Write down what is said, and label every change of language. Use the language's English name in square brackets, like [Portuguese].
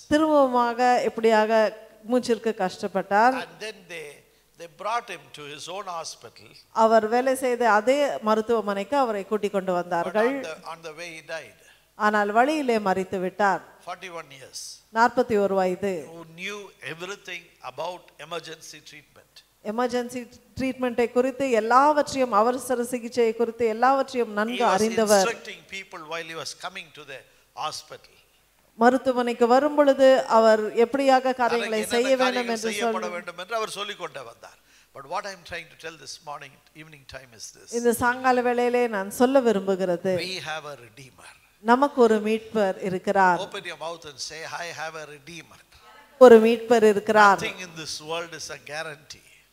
[Tamil] திரும்பமாக இப்படியாக மூச்சிற்கு கஷ்டப்பட்டார் [English] and then they brought him to his own hospital [Tamil] அவர் வேலை செய்த அதே மருத்துவமனைக்கு அவரை கூட்டி கொண்டு வந்தார்கள் [English] on the way he died [Tamil] ஆனால் வழியிலே மரித்து விட்டார் [English] 41 years [Tamil] 41 வயது [English] who knew everything about emergency treatment [Tamil] emergency treatment ஐ குறித்து எல்லாவற்றையும் அவசர சிகிச்சை குறித்து எல்லாவற்றையும் நன்கு அறிந்தவர் [English] he was instructing people while he was coming to the hospital [Tamil] மருத்துவமனைக்கு வரும் பொழுது அவர் எப்படியாக காரியங்களை செய்ய வேண்டும் என்று சொல்லப்பட வேண்டும் என்று அவர் சொல்லி கொண்டு வந்தார் [English] but what I am trying to tell this morning evening time is this [Tamil] இந்த சாயங்கால வேளையிலே நான் சொல்ல விரும்புகிறது [English] we have a redeemer [Tamil] நமக்கு ஒரு மீட்பர் இருக்கிறார் [English] open your mouth and say I have a redeemer [Tamil] ஒரு மீட்பர் இருக்கிறார் [English] nothing in this world is a guarantee